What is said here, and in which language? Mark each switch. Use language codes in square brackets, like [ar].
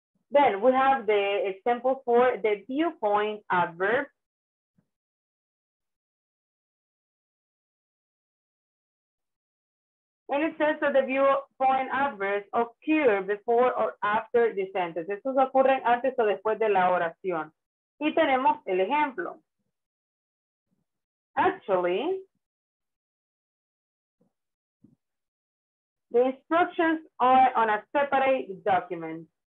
[en] Then we have the example for the viewpoint adverb. And it says that the viewpoint adverbs occur before or after the sentence. [es] Estos ocurren antes o después de la oración. Y tenemos el ejemplo. [en] Actually, the instructions are on a separate document.